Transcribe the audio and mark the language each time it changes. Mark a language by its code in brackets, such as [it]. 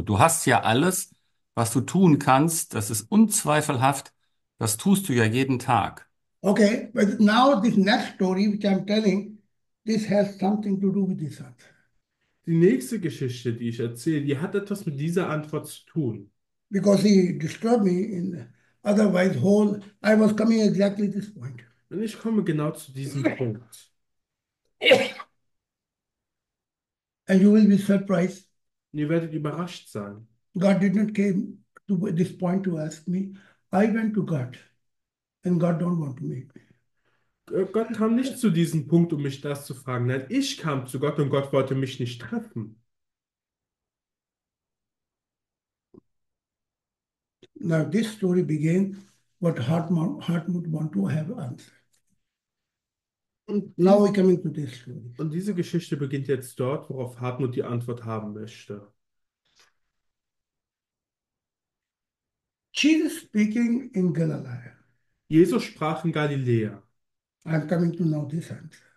[de] Du hast ja alles, was du tun kannst. Das ist unzweifelhaft. Das tust du ja jeden Tag. [en] Okay, but now this next story which I'm telling. This has something to do with this answer. [de] Die nächste Geschichte, die ich erzähle, die hat etwas mit dieser Antwort zu tun. [en] Because he disturbed me in otherwise whole, I was coming exactly this point. [de] Und ich komme genau zu diesem Punkt. [en] And you will be surprised. [de] Und ihr werdet überrascht sein. [en] God did not came to this point to ask me. I went to God, and God don't want to meet me. [de] Gott kam nicht zu diesem Punkt, um mich das zu fragen. Nein, ich kam zu Gott und Gott wollte mich nicht treffen. [en] Now this story began what Hartmut want to have answered. [de] Und [en] Now we're coming to this story. [de] diese Geschichte beginnt jetzt dort, worauf Hartmut die Antwort haben möchte. [en] Jesus speaking in Galilee. [de] Jesus sprach in Galiläa. [en] I'm coming to know this answer.